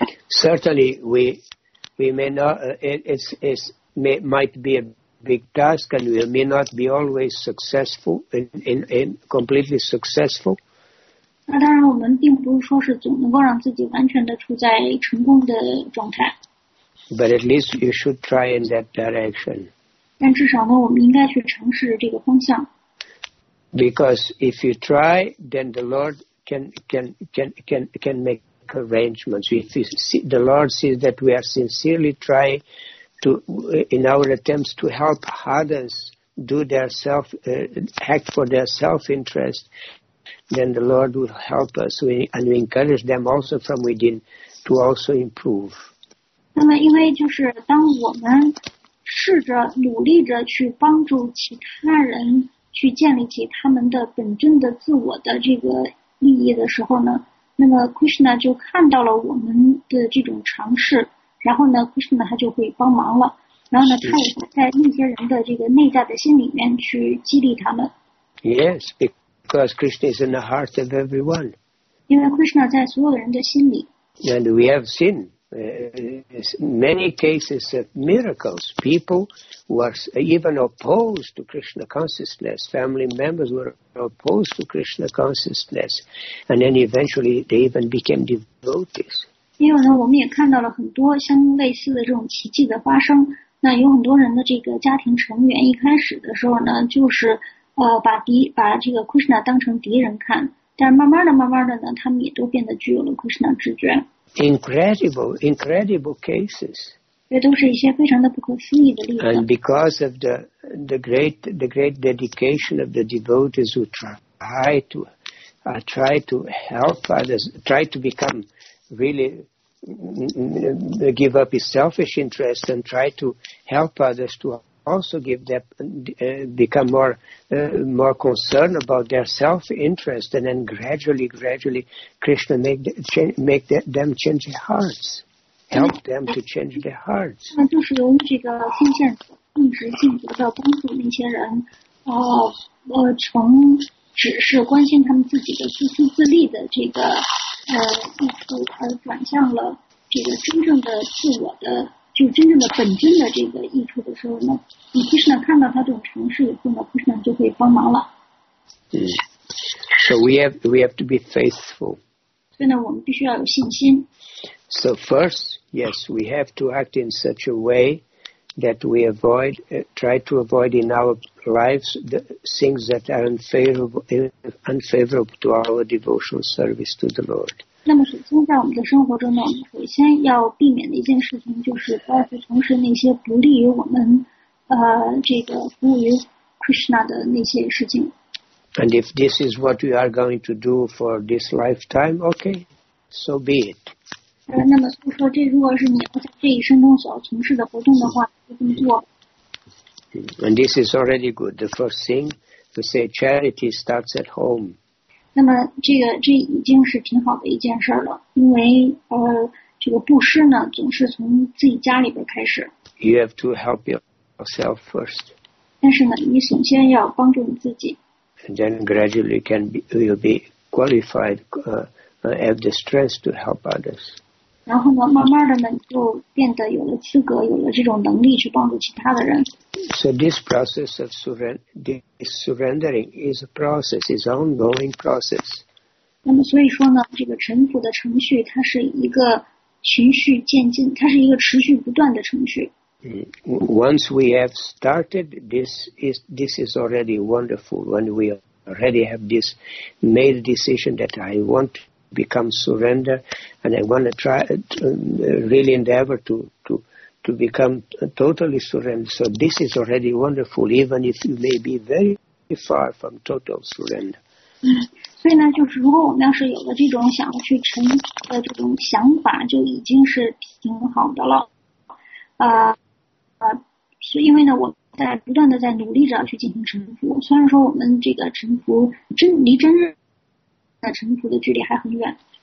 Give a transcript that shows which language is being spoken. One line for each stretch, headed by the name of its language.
English: Certainly we may not it might be aBig task, and we may not be always successful in completely successful.
Chinese: 那当然，我们并不是说是总能够让自己完全的处在成功的状态。
English: But at least you should try in that direction.
Chinese: 但至少呢，我们应该去尝试这个方向。
English: Because if you try, then the Lord can make arrangements. If you see, the Lord sees that we are sincerely trying. In our attempts to help others do their self, act for their self-interest, then the Lord will help us and we encourage them also from within to also improve.
Chinese: 那么因为就是当我们试着努力着去帮助其他人去建立起他们的本真的自我的这个利益的时候呢，那么 Krishna 就看到了我们的这种尝试，然后呢 Krishna 他就会帮忙了，然后呢他也在那些人的这个内在的心里面去激励他们。
English: Yes, because Krishna is in the heart of everyone.
Chinese: 因为 Krishna 在所有人的心里。
English: And we have seen many cases of miracles. People were even opposed to Krishna consciousness. Family members were opposed to Krishna consciousness. And then eventually they even became devotees.
Chinese: 因为呢我们也看到了很多相类似的这种奇迹的发生。那有很多人的这个家庭成员一开始的时候呢就是把这个 Krishna 当成敌人看。但慢慢的慢慢的呢他们也都变得具有了 Krishna 直觉。
English: Incredible cases.
Chinese: 这都是一些非常的不可思议的例子。
English: And because of the great dedication of the devotees who try to help others, try to become really give up his selfish interests and try to help others to also give them become more concerned about their self interest, and then gradually Krishna make them change their hearts, help them to change their hearts.
Chinese: 那就是由于这个奉献一直尽责的帮助那些人，从只是关心他们自己的自私自利的这个意图，而转向了这个真正的自我的。就真正的本真的这个益处的时候呢，你其实呢看到他这种尝试以后呢，其实呢就会帮忙了。
English: So we have to be faithful.
Chinese: 所以呢，我们必须要有信心。
English: So first, yes, we have to act in such a way that we avoid, try to avoid in our lives the things that are unfavorable to our devotional service to the Lord.
Chinese: 那么首先在我们的生活中呢，我们首先要避免的一件事情就是不要去从事那些不利于我们这个服务于 Krishna 的那些事情。
English: And if this is what we are going to do for this lifetime, okay, so be it.
Chinese: 那么就说这如果是你要在这一生中所要从事的活动的话就这么做。
English: And this is already good. The first thing to say, charity starts at home.
Chinese: 那么这已经是挺好的一件事了，因为这个布施呢总是从自己家里边开始。
English: You have to help yourself first.
Chinese: 但是呢你首先要帮助你自己。
English: And then gradually you'll be qualified, have the strength to help others.
Chinese: 然后呢慢慢的呢就变得有了资格，有了这种能力去帮助其他的人。
English: So this process of surrendering is a process, is an ongoing process.
Chinese: 那么所以说呢，这个臣服的程序，它是一个循序渐进，它是一个持续不断的程序。
English: Once we have started, this is already wonderful. When we already have this made decision that I want to become surrender, and I want to try really endeavor to become totally surrendered. So this is already wonderful, even if you may be very far from total surrender.
Chinese: 所以呢就是如果我们要是有了这种想要去成的这种想法就已经是挺好的了。所以因为呢我在不断的在努力着去进行臣服，虽然说我们这个臣服离真的臣服的距离还很远。